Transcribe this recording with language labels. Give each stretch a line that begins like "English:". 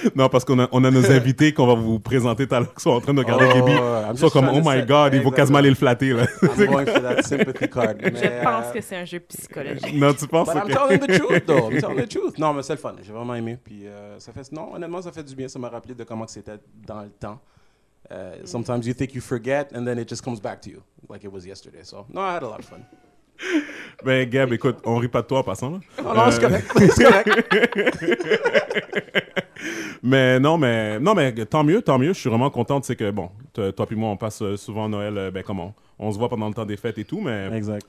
French: Non, parce qu'on a nos invités qu'on va vous présenter tout à l'heure qui sont en train de regarder Gabi. Ils sont comme,
English: oh my God,
French: il faut quasiment aller le flatter. Là.
English: I'm going for that sympathy card. Mais,
French: je pense que c'est un jeu psychologique. Non, tu penses?
English: But okay. I'm telling the truth.
French: Non, mais c'est le fun. J'ai vraiment aimé. Puis, honnêtement, ça fait du bien. Ça m'a rappelé de comment c'était dans le temps.
English: Sometimes you think you forget and then it just comes back to you like it was yesterday. So, no, I had a lot of fun.
French: Ben, Gab, écoute, on rit pas de toi en passant. Là. Non, c'est correct. C'est correct. Mais tant mieux. Je suis vraiment contente. C'est que, bon, toi puis moi, on passe souvent Noël. Ben, comment? On se voit pendant le temps des fêtes et tout. Mais exact,